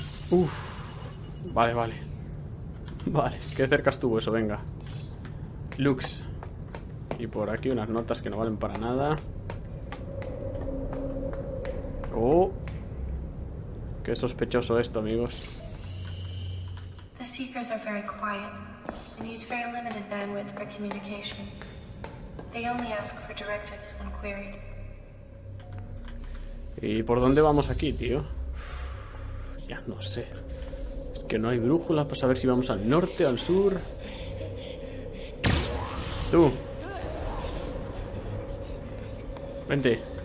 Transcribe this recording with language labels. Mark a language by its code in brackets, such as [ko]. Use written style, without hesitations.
[es] Uf. Vale, vale. Vale. Qué cerca estuvo eso, venga. Lux. Y por aquí unas notas que no valen para nada. Oh. Qué sospechoso esto, amigos. [en] The seekers are very quiet and use very limited bandwidth for communication. They only ask for directives when queried. [es] ¿Y por dónde vamos aquí, tío? Ya no sé. Es que no hay brújula para saber si vamos al norte, al sur. Tú. Vente.